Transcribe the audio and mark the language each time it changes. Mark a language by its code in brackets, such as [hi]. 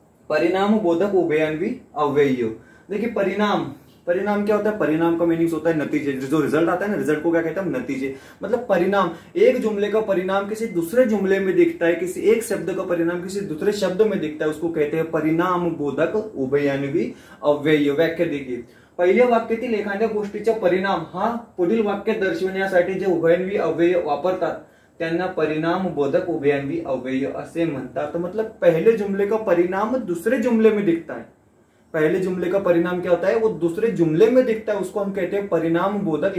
[hi] परिणाम बोधक उभयान्वी अव्ययो। देखिए परिणाम, परिणाम क्या होता है, परिणाम का मीनिंग होता है नतीजे, जो रिजल्ट आता है ना, रिजल्ट को क्या कहते हैं, नतीजे। मतलब परिणाम, एक जुमले का परिणाम किसी दूसरे जुमले में दिखता है, किसी एक शब्द का परिणाम किसी दूसरे शब्द में दिखता है, उसको कहते हैं परिणाम बोधक उभयान्वी अव्यय। [mr] व्याख्या देखिए, पहले वाक्यातील एखाद्या गोष्टीचा परिणाम हा पुढील वाक्य दर्शवण्यासाठी जे उभयान्वी अव्यय वापरतात त्यांना परिणाम बोधक उभयान्वी अव्यय असे म्हणतात। [hi] मतलब पहले जुमले का परिणाम दूसरे जुमले में दिखता है, पहले जुमले का परिणाम क्या होता है, वो दूसरे जुमले में दिखता है, उसको हम कहते हैं परिणाम बोधक।